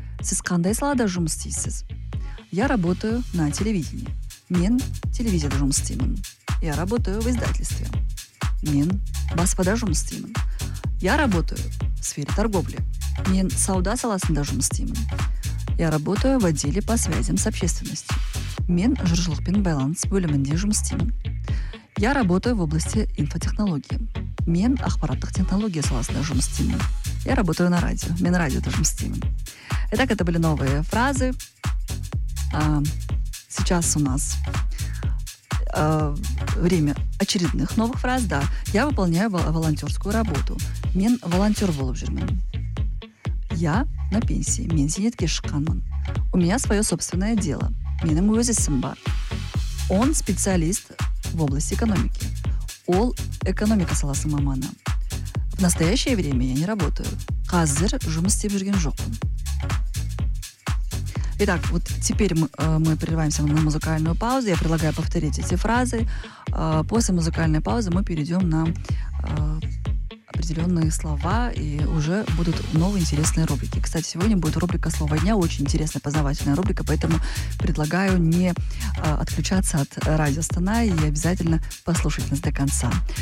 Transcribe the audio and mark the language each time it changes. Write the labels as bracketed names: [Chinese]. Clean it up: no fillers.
[Kazakh] «Сіз қандай салада жұмыс істейсіз?» [Russian] «Я работаю на телевидении». [Kazakh] «Мен телевизияда жұмыс істеймін». [Russian] «Я работаю в издательстве». [Kazakh] «Мен баспада жұмыс істеймін». [Russian] «Я работаю в сфере торговли». [Kazakh] «Мен сауда саласында жұмыс істеймін». [Russian] «Я работаю в отделе по связям с общественностью». [Kazakh] Мен жұршылықпен байланыс бөлімінде жұмыс істеймін. [Russian] Я работаю в области инфотехнологии. [Kazakh] Мен ақпараттық технология саласында жұмыс істеймін. [Russian] Я работаю на радио. [Kazakh] Мен радиода жұмыс істеймін. [Russian] Итак, это были новые фразы. Сейчас у нас время очередных новых фраз. Да, я выполняю волонтерскую работу. [Kazakh] Мен волонтер болып жүрмін. [Russian] Я на пенсии. [Kazakh] Мен зейнетке шыққанмын. [Russian] У меня свое собственное дело. [Kazakh] Менің өзі ісім бар. [Russian] Он специалист в области экономики. [Kazakh] Ол экономика саласының маманы. [Russian] В настоящее время я не работаю. [Kazakh] Қазір жұмыс істеп жүрген жоқпын. [Russian] Итак, вот теперь мы прерываемся на музыкальную паузу. Я предлагаю повторить эти фразы. После музыкальной паузы мы перейдем на определенные слова, и уже будут новые интересные рубрики. Кстати, сегодня будет рубрика «Слово дня», очень интересная, познавательная рубрика, поэтому предлагаю не отключаться от радио Астана и обязательно послушать нас до конца.